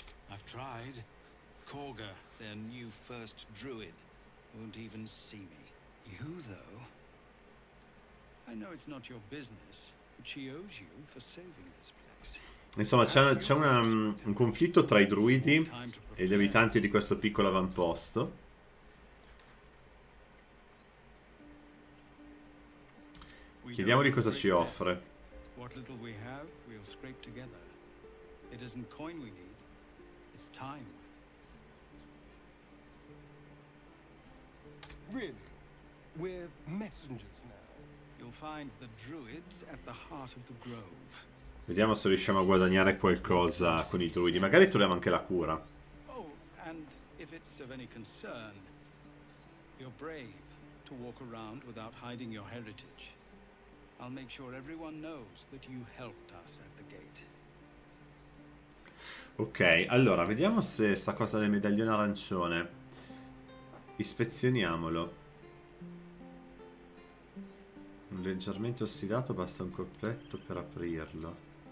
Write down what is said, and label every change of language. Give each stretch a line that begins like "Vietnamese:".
English: I've tried. Corga, their new first druid, won't even see me. You, though. I know it's not your business, but she owes you for saving this place.
Italian: Insomma, c'è un conflitto tra i druidi e gli abitanti di questo piccolo avamposto. Chiediamo di cosa ci offre.
English: What little we have, we'll scrape together. It isn't coin we need, it's time. Really? We're messengers now. You'll find the druids at the heart of the grove.
Italian: Vediamo se riusciamo a guadagnare qualcosa con i druidi. Magari troviamo anche la cura.
English: Oh, and if it's of any concern, you're brave to walk around without hiding your heritage. I'll make sure everyone knows that you helped us at the gate.
Italian: Ok, allora, vediamo se sta cosa del medaglione arancione. Ispezioniamolo. Leggermente ossidato, basta un coppetto per aprirlo.